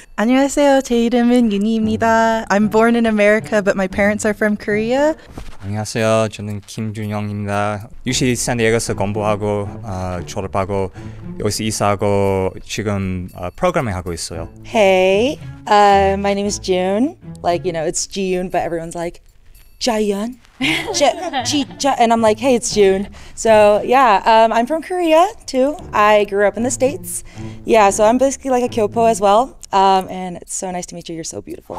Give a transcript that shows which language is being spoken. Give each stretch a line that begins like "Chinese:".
Korean: 안녕하세요, 제 이름은 윤희입니다.
English: I'm born in America, but my parents are from Korea.
Korean: 안녕하세요, 저는 김준영입니다. 유시 샌디에고에서 공부하고 졸업하고 여기서 이사하고 지금 프로그래밍 하고 있어요.
English: Hey, my name is June. Like, you know, it's Ji-Yoon, but everyone's like, Ji-Yoon. And I'm like, hey, it's June. So yeah, I'm from Korea too. I grew up in the States. Yeah, so I'm basically like a Kyopo as well. And it's so nice to meet you. You're so beautiful.